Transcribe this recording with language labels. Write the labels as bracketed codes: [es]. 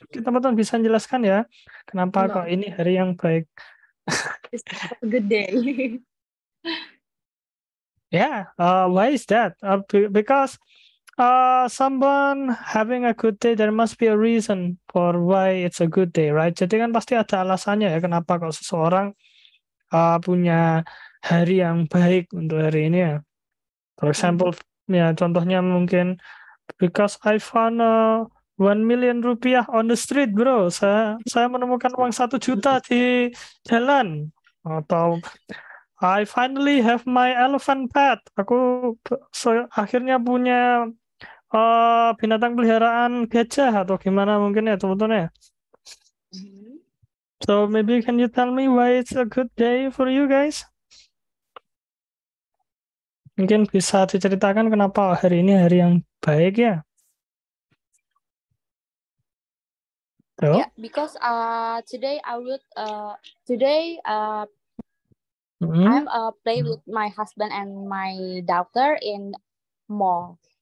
[id] Teman-teman bisa jelaskan ya, kenapa [en] No. [id] kok ini hari yang baik? [en] It's a good day. Yeah. Why is that? Because someone having a good day, there must be a reason for why it's a good day, right? [id] Jadi kan pasti ada alasannya ya, kenapa kok seseorang punya hari yang baik untuk hari ini ya. [en] For example, [id] ya contohnya mungkin [en] because I found 1 million rupiah on the street, bro. [id] Saya menemukan uang 1 juta di jalan. [en] Atau I finally have my elephant pet. [id] Aku akhirnya punya binatang peliharaan gajah atau gimana mungkin ya teman-teman. [en] So maybe can you tell me why it's a good day for you guys? [id] Mungkin bisa diceritakan kenapa hari ini hari yang baik ya? Tuh. [en] Yeah, because today I would today I'm play with my husband and my daughter in mall.